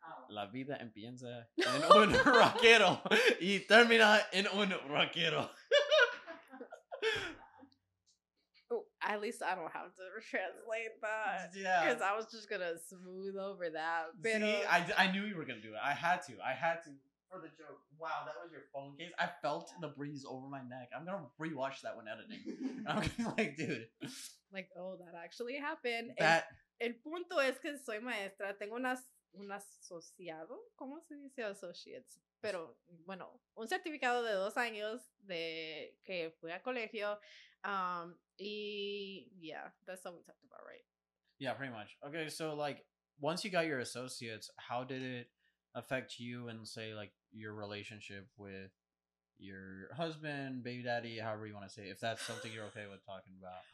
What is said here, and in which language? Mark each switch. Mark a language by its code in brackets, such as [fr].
[es] La vida empieza en un rockero y termina en un rockero. [en] At least I don't have to translate that. Yeah. Because I was just going to smooth over that. See, I knew you were going to do it. I had to. The joke, wow, that was your phone case. I felt the breeze over my neck. I'm gonna rewatch that when editing. I'm gonna be like, dude, like, oh, that actually happened. That [es] el punto es que soy maestra, tengo un asociado, como se dice associates, pero bueno, un certificado de 2 años de que fui a colegio. [en] Y yeah, that's all we talked about, right? Yeah, pretty much. Okay, so like, once you got your associates, how did it affect you and say like your relationship with your husband, baby daddy, however you want to say it, if that's something you're okay with talking about?